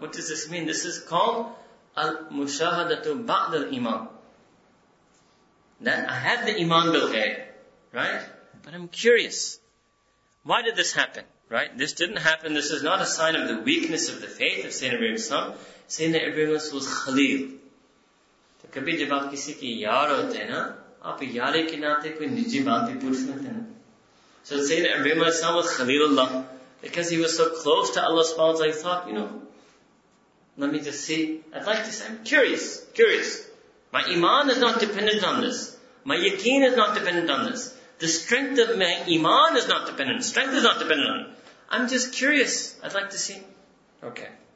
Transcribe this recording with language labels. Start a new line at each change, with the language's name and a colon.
English: What does this mean? This is called al-mushahadatu ba'd al-iman. That I have the iman bilghayb, right? But I'm curious. Why did this happen, right? This didn't happen. This is not a sign of the weakness of the faith of Sayyidina Ibrahim's son. Sayyidina Ibrahim was Khalil.
Urdu: So، کبھی جب آپ کسی کی یار ہوتے ہے نا، آپ یارے کے ناطے کوئی نجی بات بھی پوچھ لیتے ہے نا.
English: So, Sayyidina Ibrahim was Khalilullah. Because he was so close to Allah subhanahu wa ta'ala, he thought, you know, let me just see. I'd like to say, I'm curious, curious. My iman is not dependent on this. My yaqeen is not dependent on this. The strength of my iman is not dependent. Strength is not dependent on it. I'm just curious. I'd like to see. Okay.